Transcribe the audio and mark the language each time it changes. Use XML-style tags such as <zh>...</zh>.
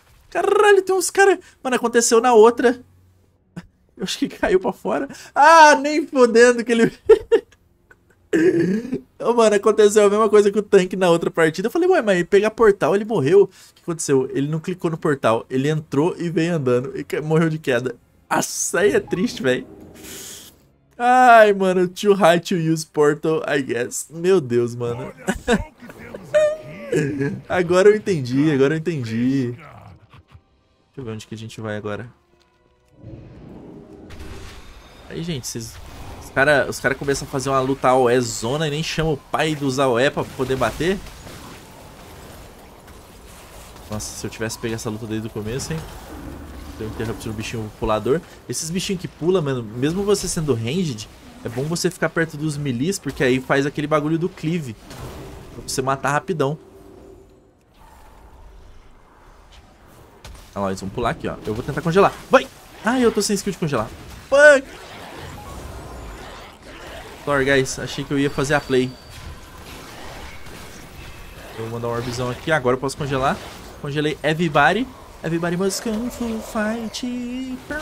<pt>Caralho, tem uns caras... Mano, aconteceu na outra. Eu acho que caiu pra fora. Ah, nem fodendo que ele... Oh, mano, aconteceu a mesma coisa com o tanque na outra partida. Eu falei, ué, mas pegar portal, ele morreu. O que aconteceu? Ele não clicou no portal. Ele entrou e veio andando. E morreu de queda. Nossa, aí é triste, velho. Ai, mano,</pt> <en>too high to use portal, I guess.</en> <pt>Meu Deus, mano. Agora eu entendi, agora eu entendi. Deixa eu ver onde que a gente vai agora. Aí, gente, vocês... Os cara começam a fazer uma luta AOE zona e nem chama o pai dos AOE pra poder bater. Nossa, se eu tivesse pego essa luta desde o começo, hein? Deu interrupt no bichinho pulador. Esses bichinhos que pula, mano, mesmo você sendo ranged, é bom você ficar perto dos melees, porque aí faz aquele bagulho do cleave. Pra você matar rapidão. Olha lá, eles vão pular aqui, ó. Eu vou tentar congelar. Vai! Ai, eu tô sem skill de congelar.</pt> <en>Fuck! Sorry, guys.</en> <pt>Achei que eu ia fazer a play. Eu vou mandar um orbzão aqui. Agora eu posso congelar. Congelei everybody.</pt> <en>Everybody must come for fight.</en>